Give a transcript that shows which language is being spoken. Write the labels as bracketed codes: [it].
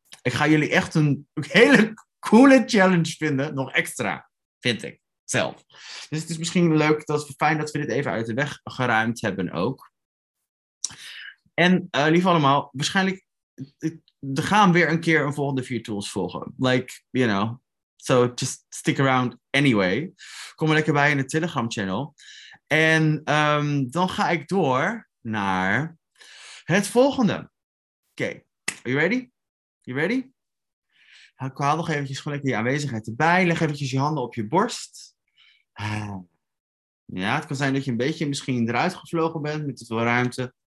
[nl] Ik ga jullie echt een hele coole challenge vinden, nog extra, vind ik. Zelf. Dus het is misschien leuk, fijn dat we dit even uit de weg geruimd hebben ook. En lief allemaal, waarschijnlijk er gaan weer een keer een volgende vier tools volgen. [en] Like, you know, so just stick around anyway. [nl] Kom er lekker bij in de Telegram channel. En dan ga ik door naar het volgende. Oké, [en] are you ready? You ready? [nl] Ik haal nog eventjes gewoon lekker je aanwezigheid erbij. Leg eventjes je handen op je borst. Ja, het kan zijn dat je een beetje misschien eruit gevlogen bent met te veel ruimte.